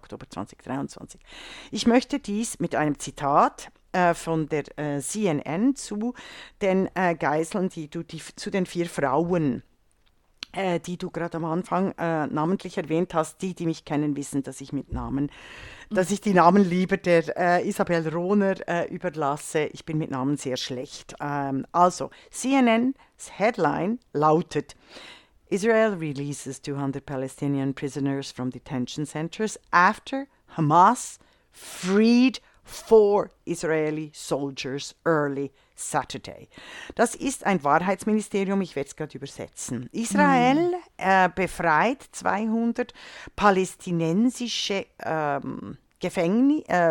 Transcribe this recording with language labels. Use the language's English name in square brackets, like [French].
[German] Oktober 2023. Ich möchte dies mit einem Zitat von der CNN zu den Geiseln, zu den vier Frauen, die du gerade am Anfang namentlich erwähnt hast, die mich kennen, wissen, dass ich mit Namen, dass ich die Namen lieber der Isabel Rohner überlasse. Ich bin mit Namen sehr schlecht. Also, CNN's Headline lautet: [English] Israel releases 200 Palestinian prisoners from detention centers after Hamas freed four Israeli soldiers early Saturday. [German] Das ist ein Wahrheitsministerium, ich werde es gerade übersetzen. Israel befreit 200 palästinensische Gefangene.